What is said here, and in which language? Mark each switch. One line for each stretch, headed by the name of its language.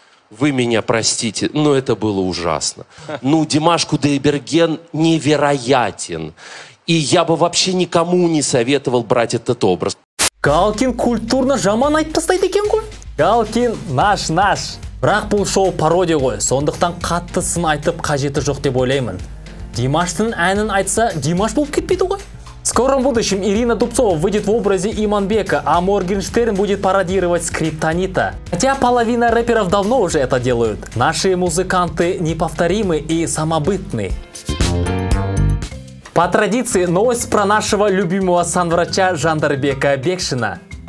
Russian: Вы меня простите, но это было ужасно. Ну, Димаш Кудайберген невероятен. И я бы вообще никому не советовал брать этот образ.
Kazakh: Галкин
Russian: культурно
Kazakh: жаманайт постоит икен гой.
Russian: Галкин наш.
Kazakh: Бірақ бұл шоу пародия гой. Сондықтан қаттысын айтып қажеті жоқ деп ойлаймын. Димаштың әнін айтса, Димаш болып кетпейді гой.
Russian: В скором будущем Ирина Дубцова выйдет в образе Иманбека, а Моргенштерн будет пародировать Скриптонита. Хотя половина рэперов давно уже это делают. Наши музыканты неповторимы и самобытны. По традиции, новость про нашего любимого санврача Жандарбека Бекшина.